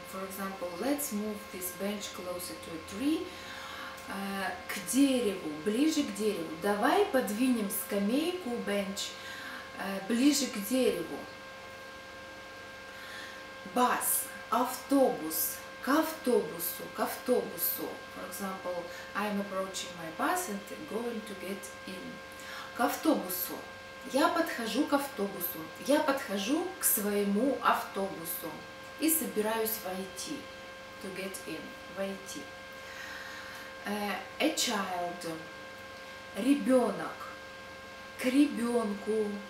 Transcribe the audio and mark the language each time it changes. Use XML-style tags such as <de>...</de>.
<en>For example, let's move this bench closer to a tree.</en> <ru>К дереву, ближе к дереву. Давай подвинем скамейку, bench. Ближе к дереву. Bus, автобус, к автобусу, к автобусу.</ru> <en>For example, I'm approaching my bus and going to get in.</en> <ru>К автобусу. Я подхожу к автобусу. Я подхожу к своему автобусу и собираюсь войти.</ru> <en>To get in, войти. A child, ребенок,</en> <ru>к ребенку.</ru>